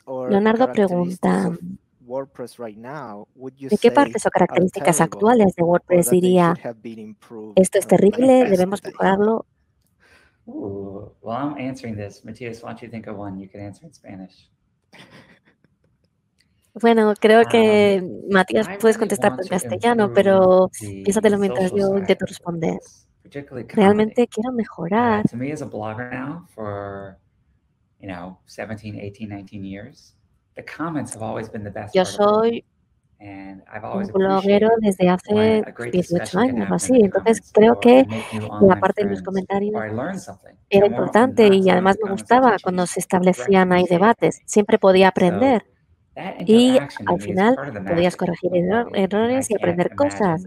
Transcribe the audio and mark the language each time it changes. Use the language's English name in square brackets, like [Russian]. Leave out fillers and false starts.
[Spanish] Leonardo pregunta, ¿de qué partes o características actuales de WordPress diría esto es terrible, debemos mejorarlo? [English] Well, I'm answering this. Matías, why don't you think of one? You can answer in Spanish. [Spanish] Bueno, creo que Matías puedes contestar en castellano, pero piénsatelo mientras yo intento responder. Realmente quiero mejorar. [English] To me, as a blogger now for, you know, 17, 18, 19 years, the comments have always been the best. [Spanish] Yo soy un bloguero desde hace 18 años o así, entonces creo que la parte de los comentarios era importante y además me gustaba cuando se establecían ahí debates. Siempre podía aprender y al final podías corregir errores y aprender cosas.